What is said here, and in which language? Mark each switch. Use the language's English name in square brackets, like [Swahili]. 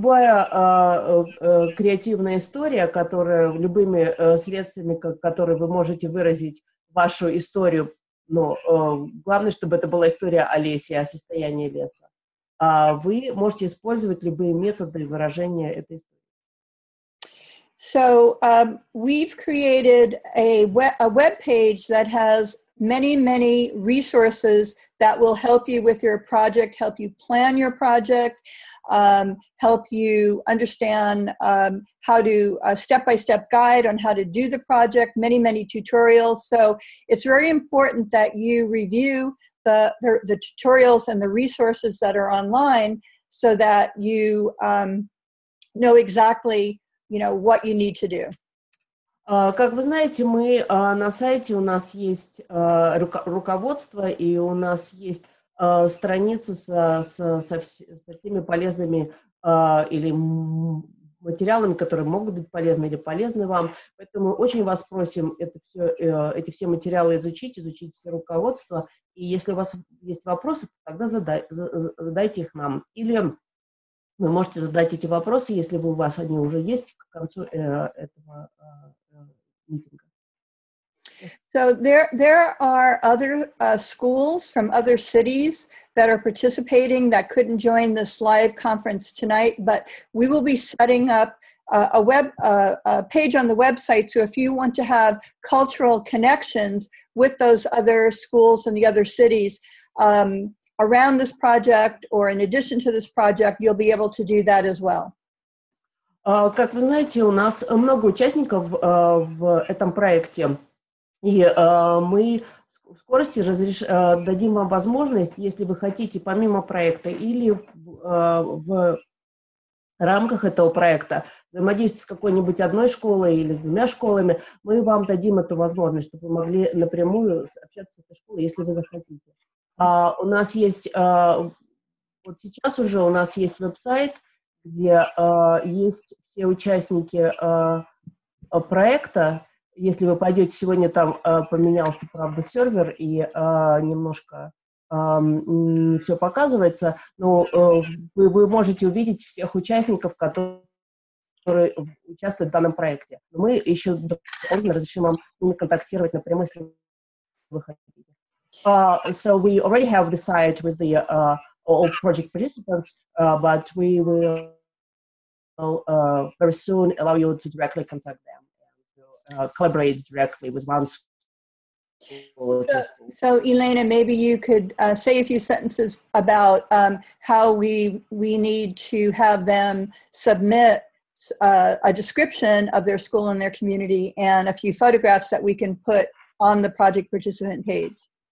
[Russian] Любая креативная история, которая любыми средствами, которые вы можете выразить вашу историю, но главное, чтобы это была история Олеси, о состоянии леса. Вы можете использовать любые методы выражения этой истории. [English] So we've created a web page that has many, many resources that will help you with your project, help you plan your project, help you understand how to step-by-step guide on how to do the project, many, many tutorials. So it's very important that you review the tutorials and the resources that are online so that you know exactly, you know, what you need to do. [Russian] Как вы знаете, мы на сайте, у нас есть руководство, и у нас есть страницы со всеми полезными или материалами, которые могут быть полезны или полезны вам. Поэтому очень вас просим эти все материалы изучить все руководство. И если у вас есть вопросы, тогда задайте их нам. Или вы можете задать эти вопросы, если у вас они уже есть, к концу этого митинга. [English] So there are other schools from other cities that are participating that couldn't join this live conference tonight, but we will be setting up a page on the website. So if you want to have cultural connections with those other schools and the other cities around this project or in addition to this project, you'll be able to do that as well. [Russian] Как вы знаете, у нас много участников в этом проекте. И мы в скорости дадим вам возможность, если вы хотите, помимо проекта или в рамках этого проекта взаимодействовать с какой-нибудь одной школой или с двумя школами, мы вам дадим эту возможность, чтобы вы могли напрямую общаться с этой школой, если вы захотите. У нас есть, вот сейчас уже у нас есть веб-сайт, где есть все участники проекта. Если вы пойдете, сегодня там поменялся, правда, сервер, и немножко все показывается, но вы можете увидеть всех участников, которые участвуют в данном проекте. Мы еще дополнительно разрешим вам контактировать напрямую, если вы хотите. [English] So we already have the site with the all project participants, but we will very soon allow you to directly contact them and to collaborate directly with one school. So Elena, maybe you could say a few sentences about how we need to have them submit a description of their school and their community and a few photographs that we can put on the project participant page.